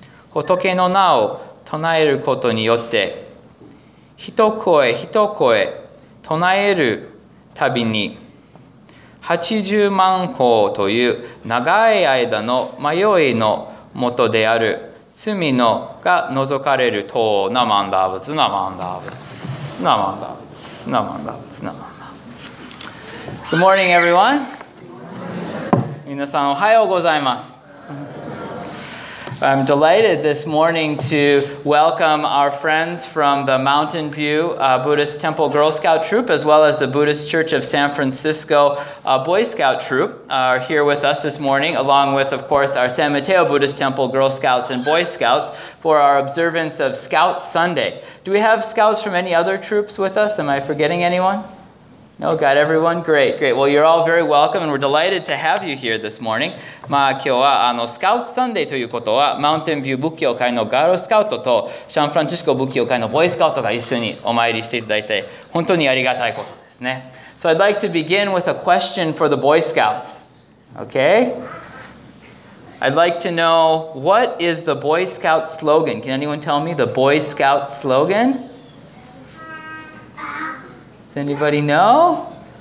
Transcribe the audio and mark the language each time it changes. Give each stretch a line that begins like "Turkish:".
Japanese: 仏の名を唱えることによって一声一声唱えるたびに80万光という長い間の迷いのもとである罪のが除かれると南無阿弥陀仏南無阿弥陀仏南無阿弥陀仏南無阿弥陀仏南無
English: Good morning, everyone.
Japanese: 皆さん、おはようございます。
English: I'm delighted this morning to welcome our friends from the Mountain View Buddhist Temple Girl Scout Troop, as well as the Buddhist Church of San Francisco Boy Scout Troop are here with us this morning, along with, of course, our San Mateo Buddhist Temple Girl Scouts and Boy Scouts for our observance of Scout Sunday. Do we have scouts from any other troops with us? Am I forgetting anyone? No, got everyone? Great, great. Well, you're all very welcome, and we're delighted to have you here this morning.
Japanese: まあ、今日はスカウトサンデーということは、マウンテンビュー仏教会のガールスカウトと、サンフランシスコ仏教会のボーイスカウトが一緒にお参りしていただいて、本当にありがたいことですね。
English: So I'd like to begin with a question for the Boy Scouts. Okay? I'd like to know, what is the Boy Scout slogan? Can anyone tell me the Boy Scout slogan? Does anybody know?